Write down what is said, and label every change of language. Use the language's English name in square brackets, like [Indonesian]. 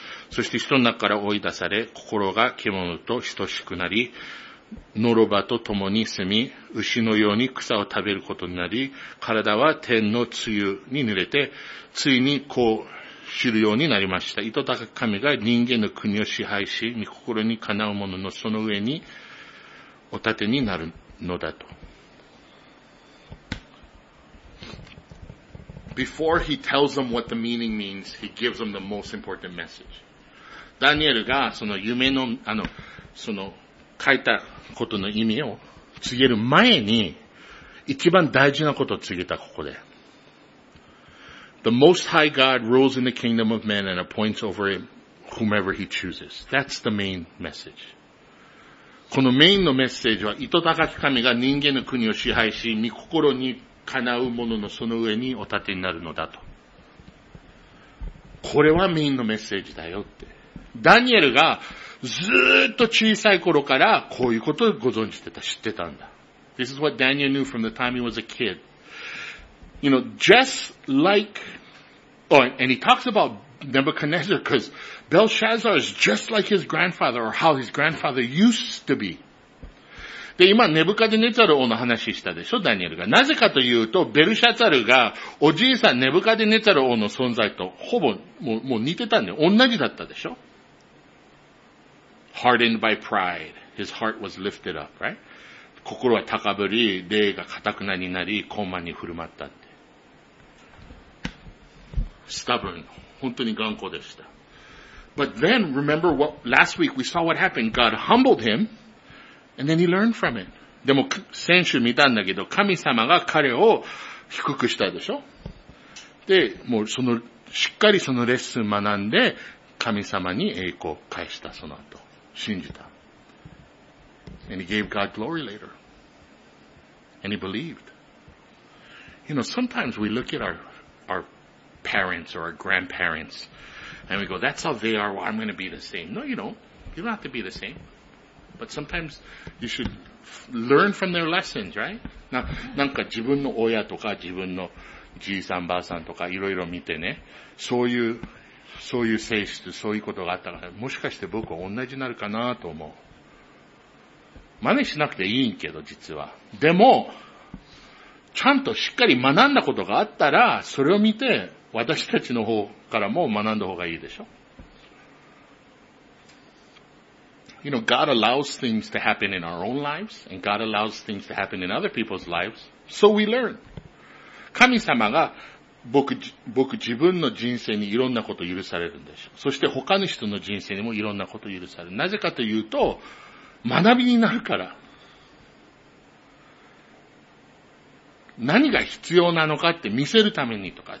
[Japanese] そして人の中から追い出され、心が獣と等しくなり、ノロバと共に住み、牛のように草を食べることになり、体は天の露に濡れて、ついにこう知るようになりました。糸高く神が人間の国を支配し、御心にかなう者のその上にお立てになるのだと。 [English] before he tells them what the meaning means, he gives them the most important message. [Japanese] ダニエルがその夢の、あの、その、書いたことの意味を告げる前に、一番大事なことを告げた、ここで。 [English] The Most High God rules in the kingdom of men and appoints over it whomever he chooses. That's the main message. [Japanese] このメインのメッセージは、糸高き神が人間の国を支配し、御心にかなうもののその上にお立てになるのだと。これはメインのメッセージだよって。ダニエルがずーっと小さい頃からこういうことをご存じてた、知ってたんだ。 [English] This is what Daniel knew from the time he was a kid. You know, just like, oh, and he talks about Nebuchadnezzar because Belshazzar is just like his grandfather or how his grandfather used to be. [Japanese] で、今、ネブカデネツァル王の話したでしょ、ダニエルが。なぜかというと、ベルシャツァルがおじいさんネブカデネツァル王の存在とほぼもう似てたんで、同じだったでしょ。 [English] Hardened by pride. His heart was lifted up, right? [Japanese] 心は高ぶり、霊が固くなりなり、高慢に振る舞ったって。 Stubborn. 本当に頑固でした。 [English] But then, remember what, last week we saw what happened. God humbled him, and then he learned from it. [Japanese] でも、先週見たんだけど、神様が彼を低くしたでしょ？で、もうその、しっかりそのレッスン学んで、神様に栄光を返した、その後。信じた。 [English] And he gave God glory later. And he believed. You know, sometimes we look at our parents or our grandparents and we go, that's how they are, well, I'm going to be the same. No, you don't. You don't have to be the same. But sometimes you should learn from their lessons, right? [Japanese] なんか自分の親とか自分のじいさんばあさんとかいろいろ見てね、そういう性質、そういうことがあったから、もしかして僕は同じになるかなと思う。真似しなくていいんけど、実は。でも、ちゃんとしっかり学んだことがあったら、それを見て、私たちの方からも学んだ方がいいでしょ。 [English] You know, God allows things to happen in our own lives, and God allows things to happen in other people's lives, so we learn. [Japanese] 神様が、僕自分の人生にいろんなことを許されるんでしょ。そして他の人の人生にもいろんなことを許される。なぜかというと、学びになるから。何が必要なのかって見せるためにとか、